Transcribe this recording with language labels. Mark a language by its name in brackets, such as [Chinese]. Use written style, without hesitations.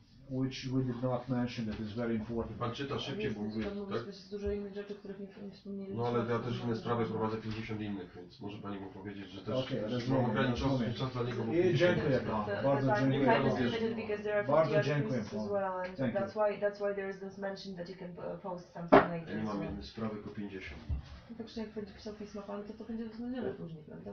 [English] Which we did not mention, that is very important. [Polish] Pan czyta szybciej, bo mówi, tak? To jest dużo innych rzeczy, których nie wspomnieliśmy. No ale ja też inne sprawy prowadzę, 50 innych, więc może pani mu powiedzieć, że też mam ograniczony czas dla niego, bo 50 innych. Dziękuję panu, bardzo dziękuję. Bardzo dziękuję panu. [English] That's why there is this mention that you can post something like this. [Polish] Ja nie mam innych sprawy, tylko 50. [English] Okay. [Polish] Także jak będzie pisał pismo pan, to będzie uznanione później, prawda?